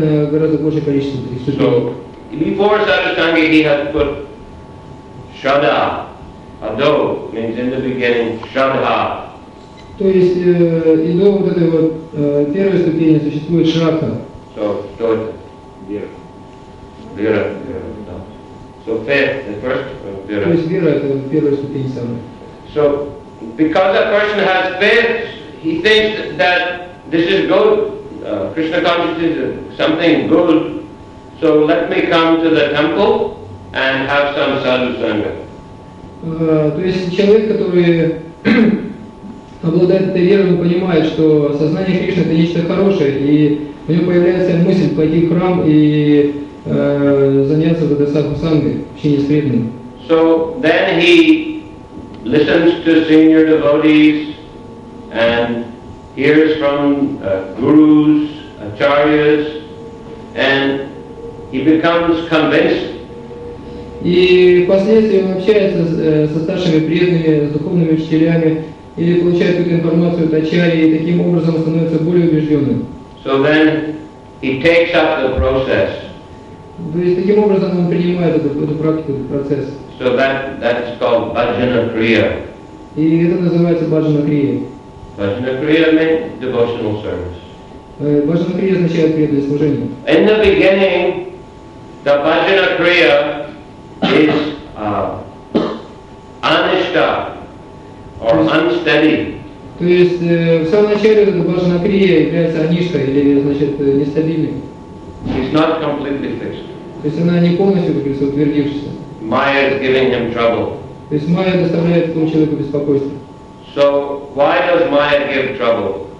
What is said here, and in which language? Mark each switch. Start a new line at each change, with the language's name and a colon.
English: before sadhusanga he has put shada, ado means in the beginning, shadha.
Russian: То есть, и до вот этой вот первой ступени существует шрадха. So, что это? Вера. Вера, да.
English: So, faith, the first, вера.
Russian: То есть, вера — это первая ступень самая.
English: So, because a person has faith, he thinks that this is good. Krishna consciousness is something good. So, let me come to the temple and have some sadhusanga.
Russian: То есть, человек, который... обладает этой верой, он понимает, что сознание Кришны — это нечто хорошее, и у него появляется мысль пойти в храм и заняться вот этой садху-сангой, общение с преданным.
English: So then he listens to senior devotees and hears from gurus, acharyas, and he becomes convinced.
Russian: И впоследствии он общается со старшими преданными, с духовными учителями, или получает какую-то информацию от ачарьи и таким образом становится более убежденным.
English: So then he takes up the process.
Russian: То есть таким образом он принимает эту практику, этот процесс.
English: So that is called bhajana kriya.
Russian: И это называется bhajana kriya.
English: Bhajana kriya means devotional service.
Russian: Bhajana kriya означает преданное служение.
English: In the beginning, the bhajana kriya is anishta. Or unsteady.
Russian: То есть в самом начале Бхажана Крия является Анишкой или значит нестабильным.
English: He's not completely fixed.
Russian: То есть она не полностью, как говорится, утвердившаяся.
English: Майя is giving him trouble.
Russian: То есть майя доставляет этому человеку беспокойство.
English: So why does майя give trouble?